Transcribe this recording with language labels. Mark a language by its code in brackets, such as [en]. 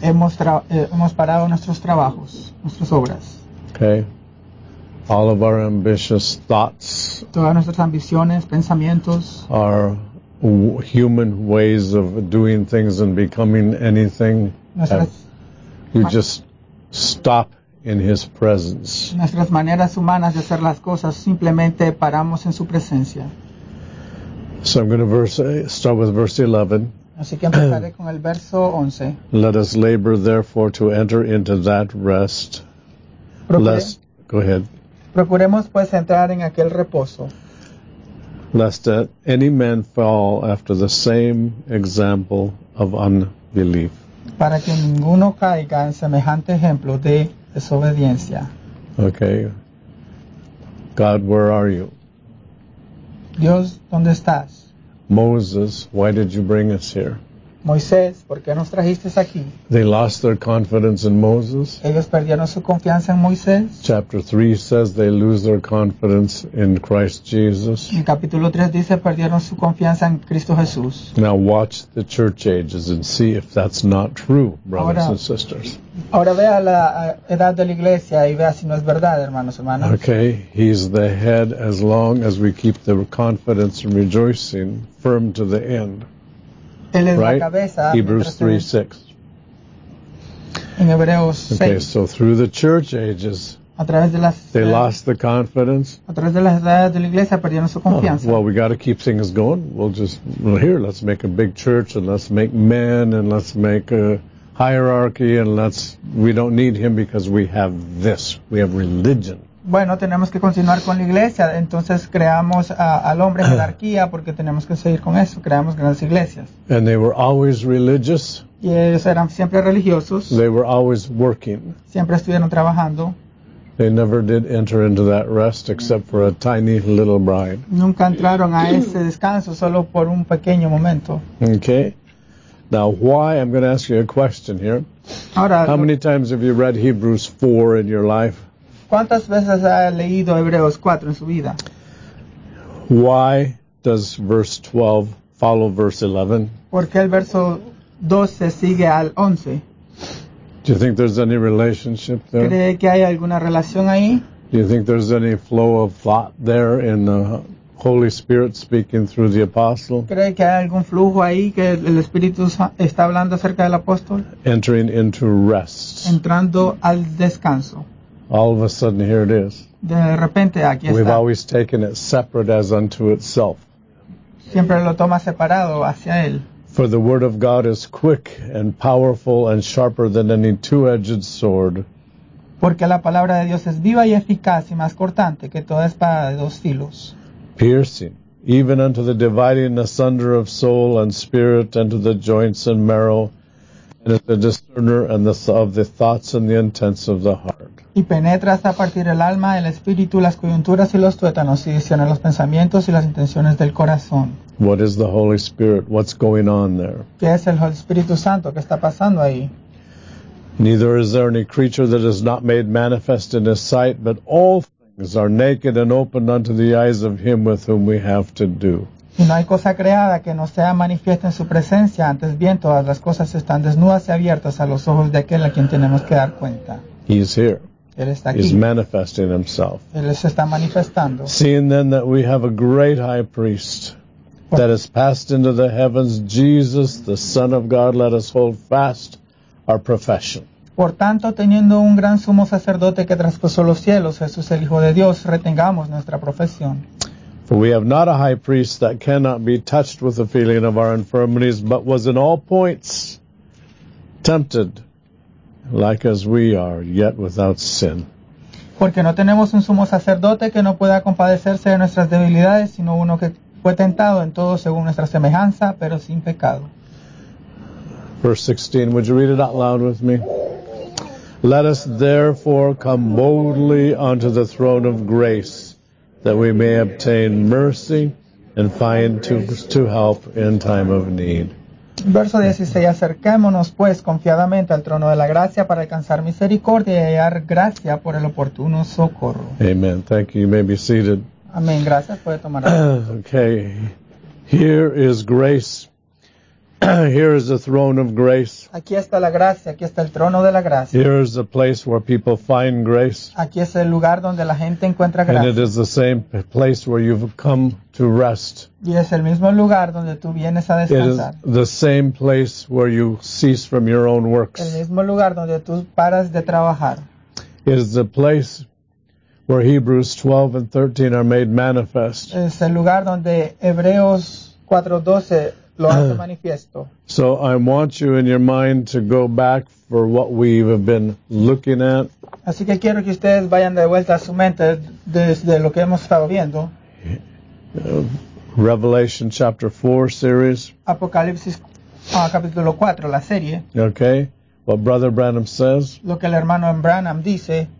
[es] Hemos parado nuestros trabajos, nuestras obras. [en] Okay. All of our ambitious thoughts, [es] todas nuestras ambiciones, pensamientos, [en] are human ways of doing things and becoming anything. You just stop in His presence. [es] Nuestras maneras humanas de hacer las cosas, simplemente paramos en su presencia. [en] So I'm going to start with verse 11. [es] Así que empezaré con el verso 11. [en] Let us labor therefore to enter into that rest. Go ahead. [es] Procuremos pues entrar en aquel reposo. [en] Lest any man fall after the same example of unbelief. [es] Para que ninguno caiga en semejante ejemplo de desobediencia. [en] Okay. God, where are you? [es] Dios, ¿dónde estás? [en] Moses, why did you bring us here? [es] Moisés, ¿por qué nos trajiste aquí? [en] They lost their confidence in Moses. [es] Ellos perdieron su confianza en Moisés. [en] Chapter 3 says they lose their confidence in Christ Jesus. [es] En capítulo 3 dice perdieron su confianza en Cristo Jesús. [en] Now watch the church ages and see if that's not true, brothers and sisters. [es] Ahora vea la edad de la iglesia y vea si no es verdad, hermanos, hermanas. [en] Okay, He's the head as long as we keep the confidence and rejoicing firm to the end. [es] Él es [en] right? [es] La cabeza, [en] Hebrews 3:6. [es] En Hebreos 6. [en] Okay, so through the church ages, [es] a través de las, [en] they lost the confidence. [es] A través de las edades de la iglesia perdieron su confianza. [en] Well, we got to keep things going. Let's make a big church and let's make men and let's make a hierarchy and we don't need Him because we have this. We have religion. [es] Bueno, tenemos que continuar con la iglesia. Entonces creamos al hombre jerarquía porque tenemos que seguir con eso. Creamos grandes iglesias. [en] And they were always religious. [es] Y ellos eran siempre religiosos. [en] They were always working. [es] Siempre estuvieron trabajando. [en] They never did enter into that rest except for a tiny little bride. [es] Nunca entraron a ese descanso, solo por un pequeño momento. [en] Okay. Now, why? I'm going to ask you a question here. [es] Ahora, [en] how many times have you read Hebrews 4 in your life? [es] ¿Cuántas veces ha leído Hebreos 4 en su vida? [en] Why does verse 12 follow verse 11? [es] ¿Por qué el verso 12 sigue al 11? [en] Do you think there's any relationship there? [es] ¿Cree que hay alguna relación ahí? [en] Do you think there's any flow of thought there in the Holy Spirit speaking through the apostle? [es] ¿Cree que hay algún flujo ahí que el Espíritu está hablando acerca del apóstol? [en] Entering into rest. [es] Entrando al descanso. [en] All of a sudden, here it is. [es] De repente, aquí [en] We've [es] está. [en] Always taken it separate as unto itself. [es] Siempre lo toma separado hacia él. [en] For the word of God is quick and powerful and sharper than any two-edged sword. [es] Porque la palabra de Dios es viva y eficaz y más cortante que toda espada de dos filos. [en] Piercing, even unto the dividing asunder of soul and spirit, unto the joints and marrow, and is the discerner and of the thoughts and the intents of the heart. [es] Y penetra hasta partir el alma, el espíritu, las coyunturas y los tuétanos, y discierne los pensamientos y las intenciones del corazón. [en] What is the Holy Spirit? What's going on there? [es] ¿Qué es el Espíritu Santo? ¿Qué está pasando ahí? [en] Neither is there any creature that is not made manifest in his sight, but all things are naked and opened unto the eyes of him with whom we have to do. [es] Y no hay cosa creada que no sea manifiesta en su presencia, antes bien todas las cosas están desnudas y abiertas a los ojos de aquel a quien tenemos que dar cuenta. [en] He is here. [es] Él está aquí. [en] He's manifesting himself. [es] Él se está manifestando. [en] Seeing then that we have a great high priest that has passed into the heavens, Jesus, the Son of God, let us hold fast our profession. [es] Por tanto, teniendo un gran sumo sacerdote que traspasó los cielos, Jesús el Hijo de Dios, retengamos nuestra profesión. [en] For we have not a high priest that cannot be touched with the feeling of our infirmities, but was in all points tempted, like as we are, yet without sin. [es] Porque no tenemos un sumo sacerdote que no pueda compadecerse de nuestras debilidades, sino uno que fue tentado en todo según nuestra semejanza, pero sin pecado. [en] Verse 16, would you read it out loud with me? Let us therefore come boldly unto the throne of grace, that we may obtain mercy and find to help in time of need. [es] Verso 16, acerquémonos pues confiadamente al trono de la gracia para alcanzar misericordia y hallar gracia por el oportuno socorro. [en] Amen. Thank you. You may be seated. [es] Amén. Gracias. Puede tomar asiento. [en] Okay. Here is grace. Here is the throne of grace. [es] Aquí está la gracia. Aquí está el trono de la gracia. [en] Here is the place where people find grace. [es] Aquí es el lugar donde la gente encuentra gracia. [en] And it is the same place where you've come to rest. [es] Y es el mismo lugar donde tú vienes a descansar. [en] It is the same place where you cease from your own works. [es] El mismo lugar donde tú paras de trabajar. [en] It is the place where Hebrews 12 and 13 are made manifest. [es] Es el lugar donde Hebreos 4:12 lo hace manifiesto. [en] So I want you in your mind to go back for what we have been looking at. [es] Así que quiero que ustedes vayan de vuelta a su mente desde lo que hemos estado viendo. [en] Revelation chapter 4 series. [es] Apocalipsis capítulo 4, la serie. [en] Okay. What Brother Branham says. [es] Lo que el hermano Branham dice.